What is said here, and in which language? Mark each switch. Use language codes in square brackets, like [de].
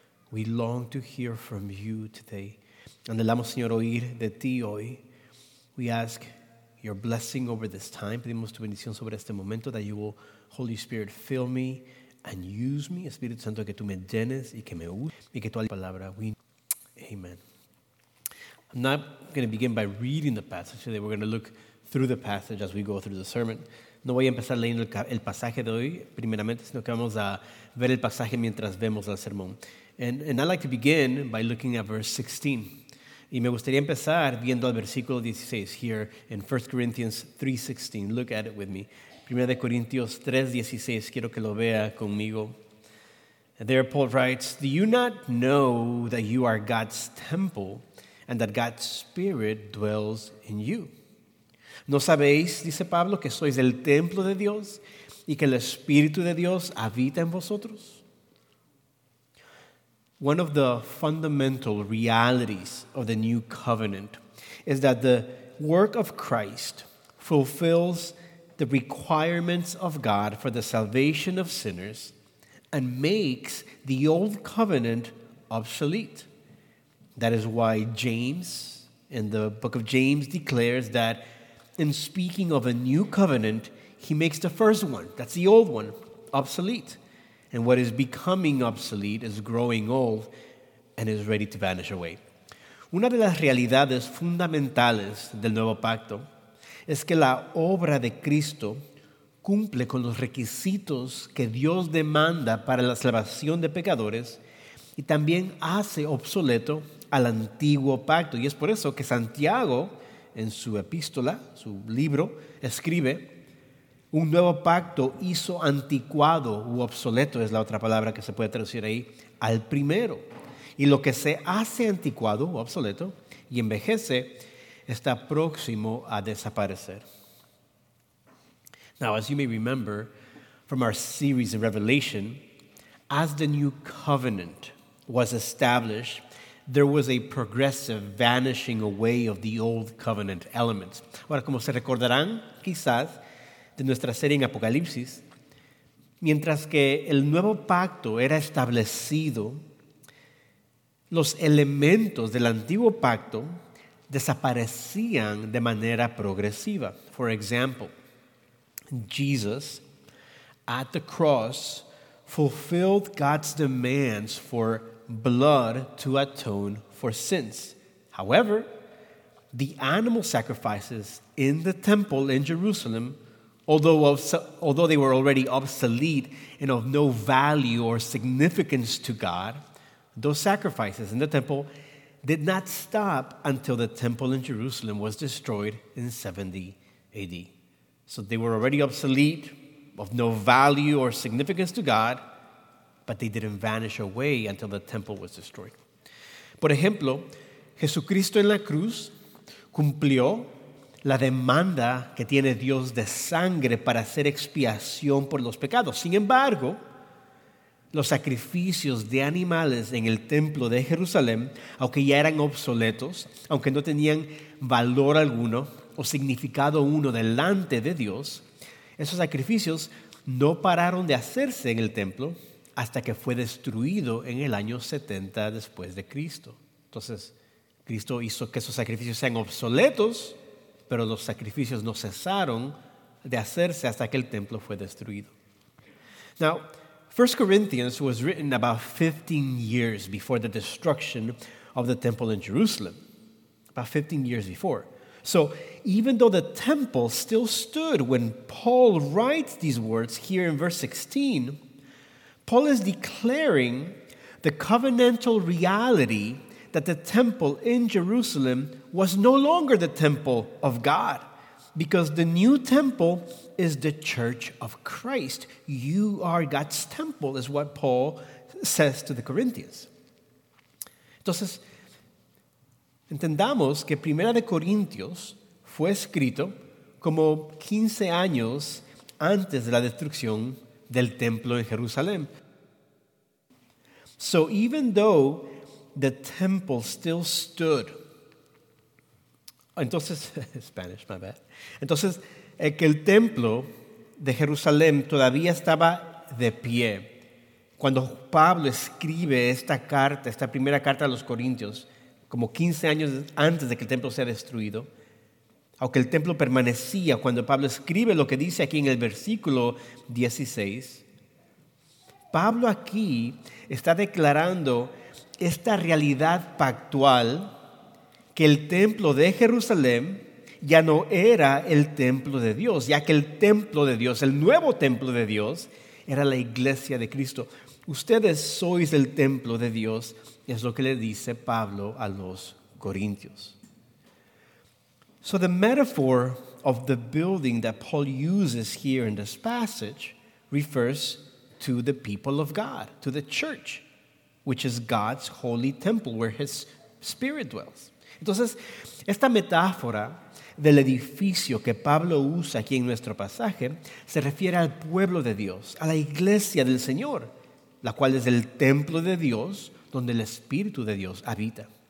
[en] We long to hear from you today. [es] Anhelamos, Señor, oír de ti hoy. [en] We ask your blessing over this time. [es] Pedimos tu bendición sobre este momento, [en] that you will, Holy Spirit, fill me and use me. [es] Espíritu Santo, que tú me llenes y que me uses. Y que tu palabra. Amen. [en] I'm not going to begin by reading the passage today. We're going to look through the passage as we go through the sermon. [es] No voy a empezar leyendo el pasaje de hoy primeramente, sino que vamos a ver el pasaje mientras vemos el sermón. [en] And I'd like to begin by looking at verse 16. [es] Y me gustaría empezar viendo el versículo 16 [en] here in 1 Corinthians 3:16. Look at it with me. [es] Primera de Corintios 3:16. Quiero que lo vea conmigo. [en] And there Paul writes, "Do you not know that you are God's temple and that God's Spirit dwells in you?" [es] ¿No sabéis, dice Pablo, que sois el templo de Dios y que el Espíritu de Dios habita en vosotros? [en] One of the fundamental realities of the new covenant is that the work of Christ fulfills the requirements of God for the salvation of sinners and makes the old covenant obsolete. That is why James, in the book of James, declares that in speaking of a new covenant, he makes the first one, that's the old one, obsolete. And what is becoming obsolete is growing old and is ready to vanish away. [es] Una de las realidades fundamentales del nuevo pacto es que la obra de Cristo cumple con los requisitos que Dios demanda para la salvación de pecadores y también hace obsoleto al antiguo pacto. Y es por eso que Santiago, en su epístola, su libro, escribe, un nuevo pacto hizo anticuado u obsoleto, es la otra palabra que se puede traducir ahí, al primero. Y lo que se hace anticuado u obsoleto y envejece está próximo a desaparecer. [en] Now, as you may remember from our series of Revelation, as the new covenant was established, there was a progressive vanishing away of the old covenant elements. [es] Ahora, como se recordarán, quizás, de nuestra serie en Apocalipsis, mientras que el nuevo pacto era establecido, los elementos del antiguo pacto desaparecían de manera progresiva. [en] For example, Jesus, at the cross, fulfilled God's demands for blood to atone for sins. However, the animal sacrifices in the temple in Jerusalem, although they were already obsolete and of no value or significance to God, those sacrifices in the temple, did not stop until the temple in Jerusalem was destroyed in 70 AD. So they were already obsolete, of no value or significance to God, but they didn't vanish away until the temple was destroyed. [es] Por ejemplo, Jesucristo en la cruz cumplió la demanda que tiene Dios de sangre para hacer expiación por los pecados. Sin embargo, los sacrificios de animales en el templo de Jerusalén, aunque ya eran obsoletos, aunque no tenían valor alguno o significado uno delante de Dios, esos sacrificios no pararon de hacerse en el templo hasta que fue destruido en el año 70 después de Cristo. Entonces, Cristo hizo que esos sacrificios sean obsoletos, pero los sacrificios no cesaron de hacerse hasta que el templo fue destruido. [en] Now, 1 Corinthians was written about 15 years before the destruction of the temple in Jerusalem. About 15 years before. So even though the temple still stood when Paul writes these words here in verse 16, Paul is declaring the covenantal reality that the temple in Jerusalem was no longer the temple of God, because the new temple is the church of Christ. You are God's temple, is what Paul says to the Corinthians. [es] Entonces, entendamos que Primera de Corintios fue escrito como 15 años antes de la destrucción del templo en Jerusalén. [en] So even though the temple still stood. Entonces, Spanish, my bad. [es] Entonces, que el templo de Jerusalén todavía estaba de pie. Cuando Pablo escribe esta carta, esta primera carta a los Corintios, como 15 años antes de que el templo sea destruido, aunque el templo permanecía, cuando Pablo escribe lo que dice aquí en el versículo 16, Pablo aquí está declarando esta realidad pactual, que el templo de Jerusalén ya no era el templo de Dios, ya que el templo de Dios, el nuevo templo de Dios, era la iglesia de Cristo. Ustedes sois el templo de Dios, es lo que le dice Pablo a los corintios. [en] So the metaphor of the building that Paul uses here in this passage refers to the people of God, to the church, which is God's holy temple where his spirit dwells. [es] Entonces, esta metáfora del edificio que Pablo usa aquí en nuestro pasaje se refiere al pueblo de Dios, a la iglesia del Señor, la cual es el templo de Dios donde el Espíritu de Dios habita.